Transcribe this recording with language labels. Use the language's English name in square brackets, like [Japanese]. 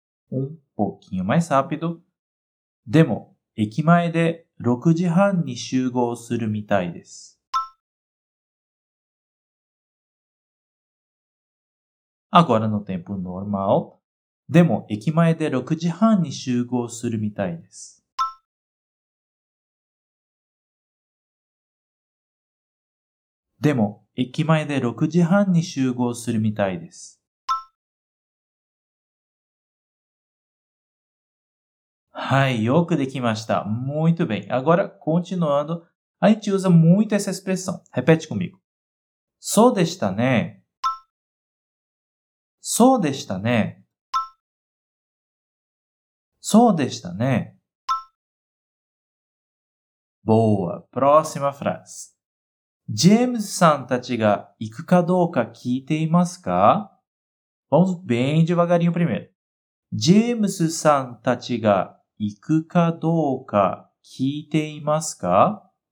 [Portuguese] Um pouquinho mais rápido. [Japanese] でも、駅前で6時半に集合するみたいです。 [Portuguese] Agora no tempo normal. [Japanese] でも、駅前で6時半に集合するみたいです。でも、駅前で6時半に集合するみたいです。はい、よくできました。 [Portuguese] Muito bem. Agora, continuando, a gente usa muito essa expressão. Repete comigo. [Japanese] そうでしたね。そうでしたね。そうでしたね。 [Portuguese] Boa. Próxima frase. [Japanese] ジェームズさんたちが行くかどうか聞いていますか? [Portuguese] Vamos bem devagarinho primeiro. [Japanese] ジェームズさんたちが行くかどうか聞いていますか?